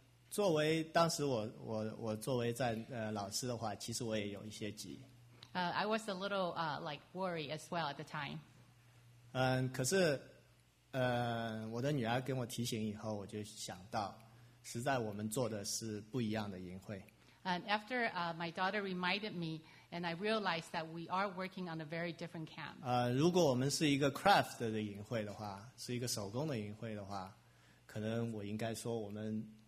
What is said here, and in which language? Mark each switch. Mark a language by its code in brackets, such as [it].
[zh] 作为当时我作为在老师的话，其实我也有一些急。 [en] I was a little like worried as well at the time. [zh] 可是我的女儿跟我提醒以后，我就想到，实在我们做的是不一样的营会。 [en] And after my daughter reminded me, and I realized that we are working on a very different camp. [zh] 如果我们是一个 craft 的营会的话，是一个手工的营会的话，可能我应该说我们。